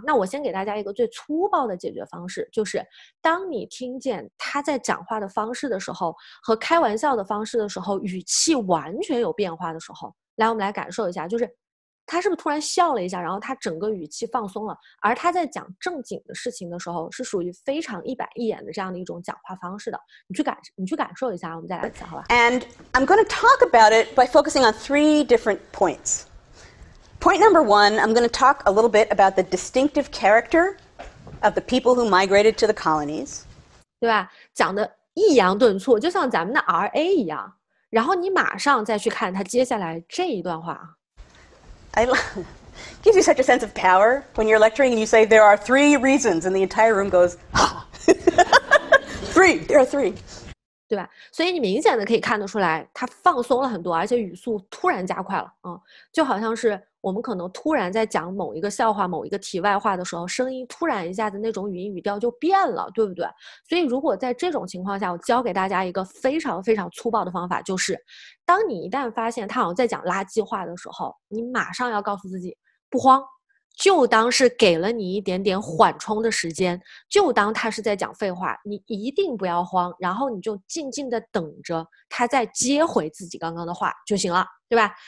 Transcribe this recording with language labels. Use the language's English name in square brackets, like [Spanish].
[Chinese] 那我先给大家一个最粗暴的解决方式，就是当你听见他在讲话的方式的时候，和开玩笑的方式的时候，语气完全有变化的时候，来，我们来感受一下，就是他是不是突然笑了一下，然后他整个语气放松了，而他在讲正经的事情的时候，是属于非常一板一眼的这样的一种讲话方式的。你去感受一下，我们再来一次，好吧 [English] ？And I'm going to talk about it by focusing on three different points. Point number one, I'm going to talk a little bit about the distinctive character of the people who migrated to the colonies. [Chinese] 对吧？讲的抑扬顿挫，就像咱们的 RA 一样，然后你马上再去看他接下来这一段话。 [English] It gives you such a sense of power when you're lecturing and you say there are three reasons and the entire room goes, three, there are three. [Chinese] 对吧？所以你明显的可以看得出来他放松了很多，而且语速突然加快了，嗯，就好像是我们可能突然在讲某一个笑话、某一个题外话的时候，声音突然一下子那种语音语调就变了，对不对？所以如果在这种情况下，我教给大家一个非常非常粗暴的方法，就是当你一旦发现他好像在讲垃圾话的时候，你马上要告诉自己不慌，就当是给了你一点点缓冲的时间，就当他是在讲废话，你一定不要慌，然后你就静静的等着他再接回自己刚刚的话就行了，对吧？